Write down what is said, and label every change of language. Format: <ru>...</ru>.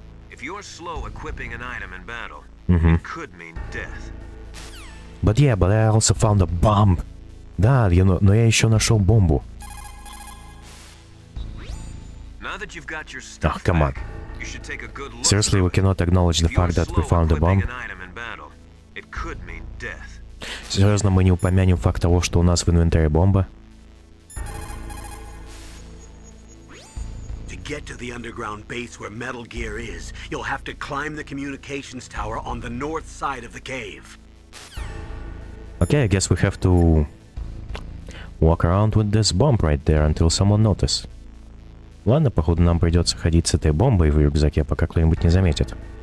<en>If you're slow equipping an item in battle, it could mean death. But yeah, but I also found a bomb.</en> <ru>Да, но я еще нашел бомбу.</ru> <en>Now that you've got your stuff back, you should take a good look. Seriously, we cannot acknowledge the fact that we found a bomb. If you're slow equipping an item in battle, it could mean death.</en> <ru>Серьезно, мы не упомянем факт того, что у нас в инвентаре бомба?</ru> <en>Get to the underground base where Metal Gear is. You'll have to climb the communications tower on the north side of the cave. Okay, I guess we have to walk around with this bomb right there until someone notices.</en> <ru>Ладно, походу нам придется ходить с этой бомбой в рюкзаке, пока кто-нибудь не заметит.</ru>